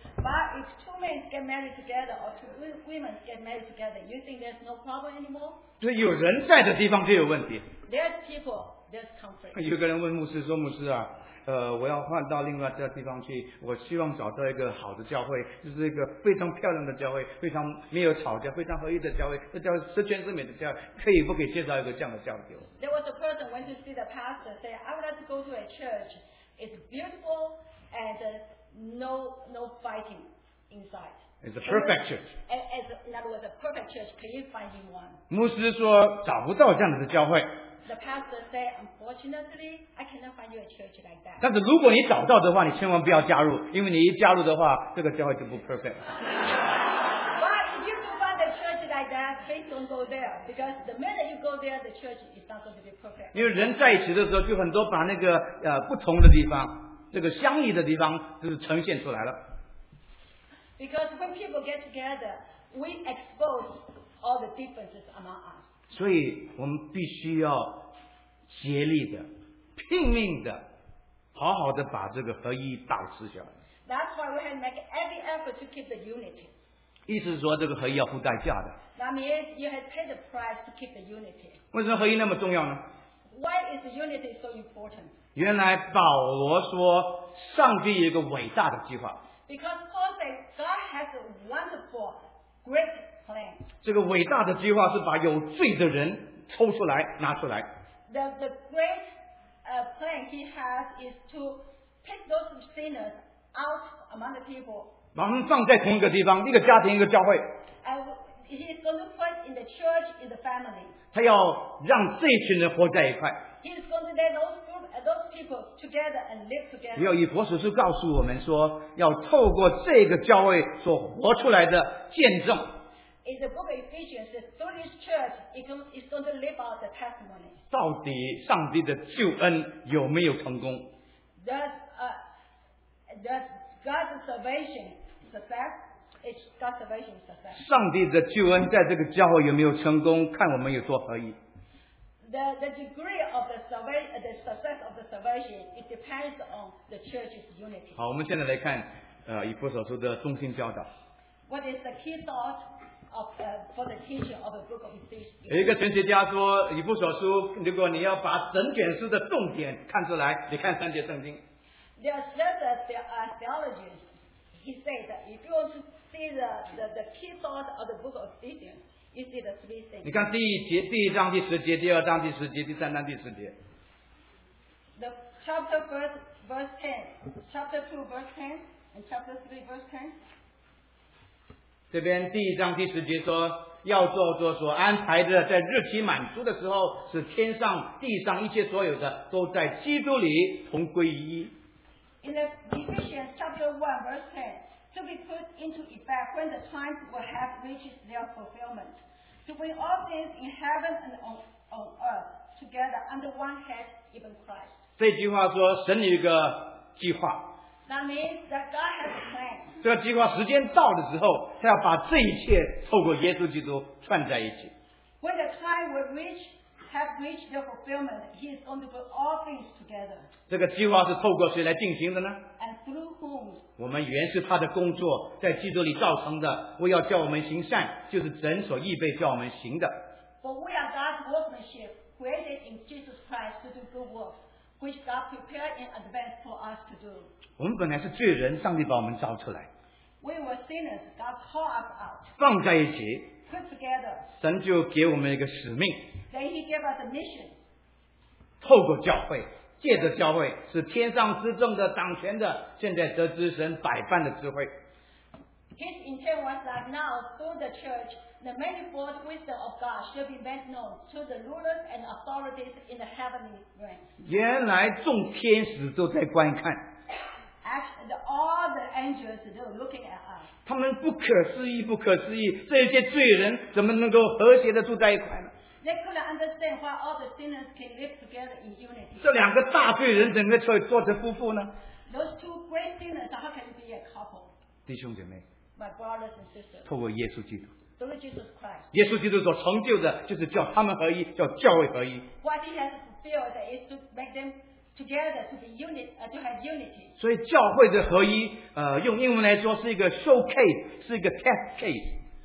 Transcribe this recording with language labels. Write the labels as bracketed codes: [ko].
[en] But if two men get married together or two women get married together, you think there's no problem anymore? [zh] 对，有人在的地方就有问题。 [en] There's people, there's conflict. [zh] 有个人问牧师说：“牧师啊。” 我要换到另外一个地方去，我希望找到一个好的教会，就是一个非常漂亮的教会，非常没有吵架，非常合一的教会，这叫十全十美的教会，可以不可以介绍一个这样的教会给我？ [en] There was a person went to see the pastor, say, I would like to go to a church. It's beautiful and no fighting inside. It's a perfect church. As in other words, a perfect church. Can you find him one? [zh] 牧师说找不到这样的教会。 [en] The pastor said, unfortunately, I cannot find you a church like that. [zh] 但是如果你找到的话，你千万不要加入，因为你一加入的话，这个教会就不 perfect. [en] But if you can find a church like that, please don't go there. Because the minute you go there, the church is not going to be perfect. [zh] 因为人在一起的时候，就很多把那个不同的地方，这个相异的地方，就是呈现出来了。 [en] Because when people get together, we expose all the differences among us. [zh] 所以我们必须要竭力的拼命的好好的把这个合一保持下来。 [en] That's why we have to make every effort to keep the unity. [zh] 意思是说这个合一要付代价的。 [en] That means you have to pay the price to keep the unity. [zh] 为什么合一那么重要呢？ [en] Why is unity so important? [zh] 原来保罗说上帝有一个伟大的计划。 [en] Because Paul said God has a wonderful, great, [zh] 这个伟大的计划是把有罪的人抽出来拿出来。 [en] The great plan he has is to pick those sinners out among the people. [zh] 把他们放在同一个地方，一个家庭，一个教会。 [en] He is going to put in the church, in the family. [zh] 他要让这群人活在一块。 [en] He is going to let those people together and live together. [zh] 只有以弗所书告诉我们说，要透过这个教会所活出来的见证。 [en] In the book of Ephesians, through this church, it's going to live out the testimony. [zh] 到底上帝的救恩有没有成功？ [en] Does God's salvation success? Is God's salvation success? [zh] 上帝的救恩在这个教会有没有成功？看我们有多合一。 [en] The degree of the success of the salvation, it depends on the church's unity. [zh] 好，我们现在来看以弗所书的中心教导。 [en] What is the key thought? For the teaching of the book of Ephesians. [zh] 有一个神学家说，以弗所书，如果你要把整卷书的重点看出来，你看三节圣经。 [en] There are several theologians. He said that if you want to see the key thought of the book of Ephesians, you see the three things. [zh] 你看第一节、第一章第十节、第二章第十节、第三章第十节。 [en] The chapter first, verse 10, chapter 2, verse 10, and chapter 3, verse 10. [zh] 这边第一章第十节说，要做作所安排的，在日期满足的时候，使天上地上一切所有的都在基督里同归于一。 [en] In the Ephesians chapter 1 verse 10, to be put into effect when the times will have reached their fulfillment, to bring all things in heaven and on earth together under one head, even Christ. [zh] 这句话说，神有一个计划。 [en] That means that God has a plan. [zh] 这个计划时间到的时候，他要把这一切透过耶稣基督串在一起。 [en] When the time will have reached the fulfillment, He is going to put all things together. [zh] 这个计划是透过谁来进行的呢？ [en] And through whom? [zh] 我们原是他的工作，在基督里造成的。为要叫我们行善，就是神所预备叫我们行的。 [en] For we are God's workmanship, created in Jesus Christ to do good works, which God prepared in advance for us to do. [zh] 我们本来是罪人，上帝把我们召出来。 [en] We were sinners, God called us out. [zh] 放在一起。 [en] Put together. [zh] 神就给我们一个使命。 [en] Then He gave us a mission. [zh] 透过教会，借着教会，是天上执政的、掌权的，现在得知神百般的智慧。 [en] His intent was that now, through the church, the manifold wisdom of God should be made known to the rulers and authorities in the heavenly realms. [zh] 原来众天使都在观看。 [en] All the angels are looking at us. [zh] 他们不可思议，不可思议！这些罪人怎么能够和谐的住在一块呢 [en] ？They couldn't understand why all the sinners can live together in unity. [zh] 这两个大罪人怎么会做成夫妇呢 [en] Those two great sinners, how can you be a couple? [zh] 弟兄姐妹 [en] My brothers and sisters. [zh] 透过耶稣基督 [en] Through Jesus Christ. [zh] 耶稣基督所成就的就是叫他们合一，叫教会合一。 [en] What he has fulfilled is to make them together to be unit, to have unity. [zh] 所以教会的合一，用英文来说是一个 showcase， 是一个 test case。